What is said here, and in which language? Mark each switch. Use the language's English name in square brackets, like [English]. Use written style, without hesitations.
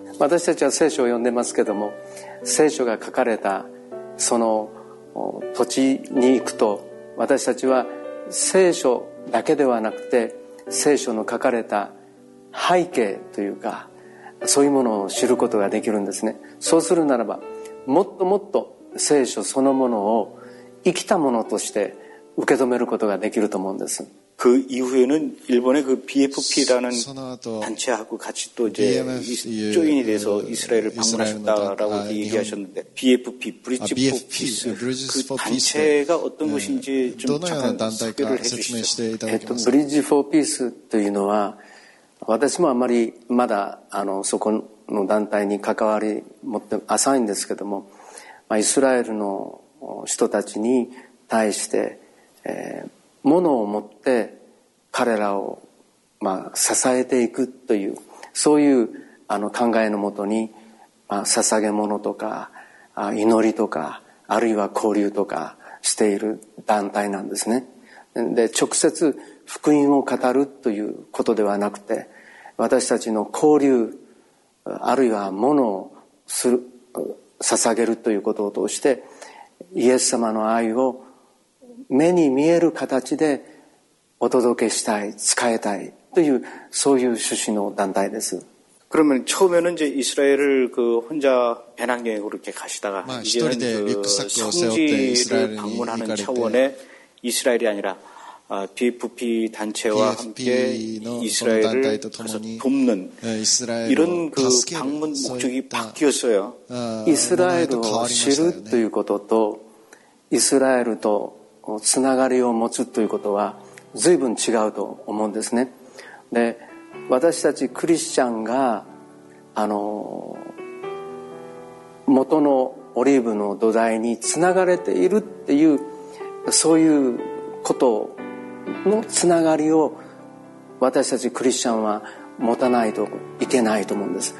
[Japanese] 私たちは聖書を読んでますけども、聖書が書かれたその土地に行くと、私たちは聖書だけではなくて、聖書の書かれた背景というか、そういうものを知ることができるんですね。そうするならば、もっともっと聖書そのものを生きたものとして受け止めることができると思うんです。 [Korean] 그이후에는일본의그 BFP라는 단체하고같이또이제조인이돼서이스라엘을방문하셨다라고얘기하셨는데 BFP, Bridge for Peace 그 단체가어떤것인지좀잠깐소개를해주시죠 [Japanese] Bridge for Peace というのは私もあまりまだそこの団体に関わり持って浅いんですけども、まあ、イスラエルの人たちに対して、物を持って彼らを、まあ、支えていくという、そういう考えのもとに、まあ、捧げ物とか祈りとか、あるいは交流とかしている団体なんですね。で直接福音を語るということではなくて、私たちの交流あるいは物をする捧げるということを通して、イエス様の愛を目に見える形でお届けしたい、使えたいという、そういう趣旨の団体です。 [Korean] 그러면처음에는이제이스라엘을그혼자배낭여행으로이렇게가시다가이제는그성지를방문하는차원에이스라엘이아니라 BFP 단체와 BFP 함께이스라엘을가서돕는이스라엘이런그방문목적이바뀌었어요 이스라엘을 [Japanese] 知るということと이스라엘とつながりを持つということは随分違うと思うんですね。で、私たちクリスチャンが元のオリーブの土台につながれているっていう、そういうことのつながりを私たちクリスチャンは持たないといけないと思うんです。